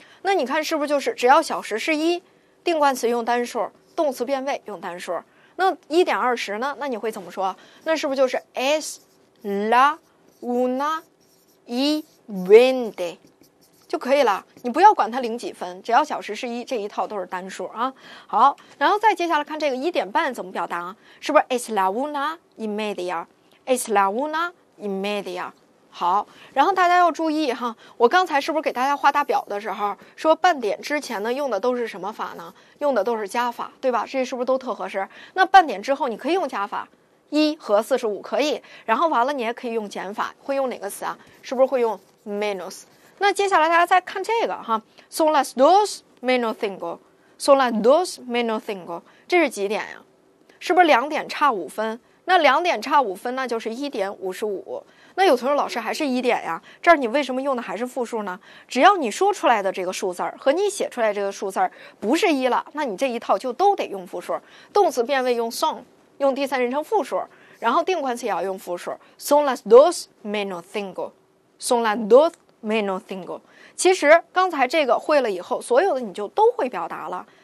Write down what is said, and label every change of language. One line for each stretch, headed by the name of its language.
Chinese: 那你看是不是就是只要小时是一，定冠词用单数，动词变位用单数。那1:20呢，那你会怎么说？那是不是就是
Spanish: es la una y veinte
Chinese: 就可以了，你不要管它零几分，只要小时是一，这一套都是单数啊。好，然后再接下来看这个1:30怎么表达，是不是
Spanish: es la una y media，
Chinese: es la una y media。好，然后大家要注意哈，我刚才是不是给大家画大表的时候说半点之前呢用的都是什么法呢？用的都是加法，对吧？这是不是都特合适？那半点之后你可以用加法1和45，可以。然后完了你也可以用减法，会用哪个词啊？是不是会用 minus。那接下来大家再看这个哈，
Spanish: son las dos menos cinco，
Chinese: son las dos menos cinco， 这是几点呀？是不是2点差5分？那2点差5分那就是1:55。那有同学老师还是一点呀，这儿你为什么用的还是复数呢？只要你说出来的这个数字和你写出来这个数字不是一了，那你这一套就都得用复数。动词变位用 son， 用第三人称复数，然后定冠词也要用复数，
Spanish: son las dos menos cinco，
Chinese: son las dos menos cinco。 其实刚才这个会了以后，所有的你就都会表达了。